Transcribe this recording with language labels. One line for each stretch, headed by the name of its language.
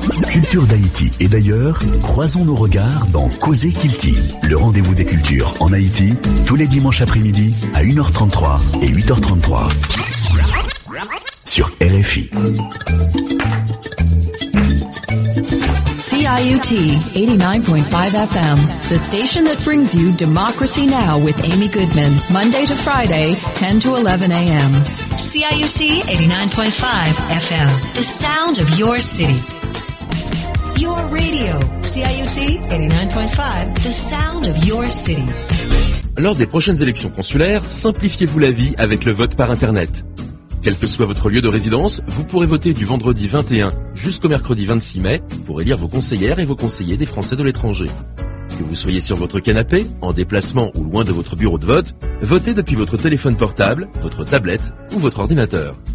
French: Culture d'Haïti et d'ailleurs, croisons nos regards dans Causer Kilti, le rendez-vous des cultures en Haïti, tous les dimanches après-midi à 1h33 et 8h33 sur RFI.
English: CIUT 89.5 FM, the station that brings you Democracy Now! With Amy Goodman, Monday to Friday, 10 to 11 a.m. CIUT 89.5 FM, the sound of your city. Your radio, CIUT 89.5, the sound of your city.
French: Lors des prochaines élections consulaires, simplifiez-vous la vie avec le vote par Internet. Quel que soit votre lieu de résidence, vous pourrez voter du vendredi 21 jusqu'au mercredi 26 mai pour élire vos conseillères et vos conseillers des Français de l'étranger. Que vous soyez sur votre canapé, en déplacement ou loin de votre bureau de vote, votez depuis votre téléphone portable, votre tablette ou votre ordinateur.